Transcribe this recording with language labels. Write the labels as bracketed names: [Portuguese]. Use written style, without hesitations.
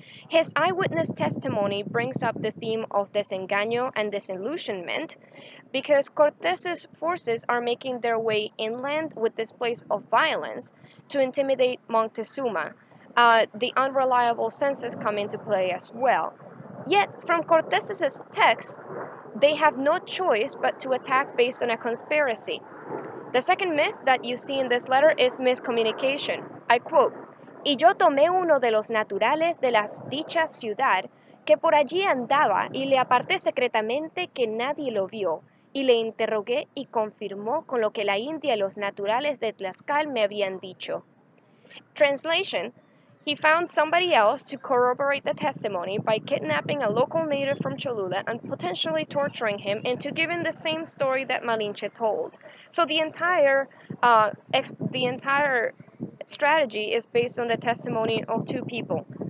[English] His eyewitness testimony brings up the theme of desengaño and disillusionment because Cortés's forces are making their way inland with displays of violence to intimidate Montezuma. The unreliable senses come into play as well. Yet, from Cortés's text, they have no choice but to attack based on a conspiracy. The second myth that you see in this letter is miscommunication. I quote, [Spanish] Y yo tomé uno de los naturales de la dicha ciudad que por allí andaba y le aparté secretamente que nadie lo vio y le interrogué y confirmó con lo que la India y los naturales de Tlaxcal me habían dicho. [English] Translation, he found somebody else to corroborate the testimony by kidnapping a local native from Cholula and potentially torturing him into giving the same story that Malinche told. So the entire strategy is based on the testimony of two people.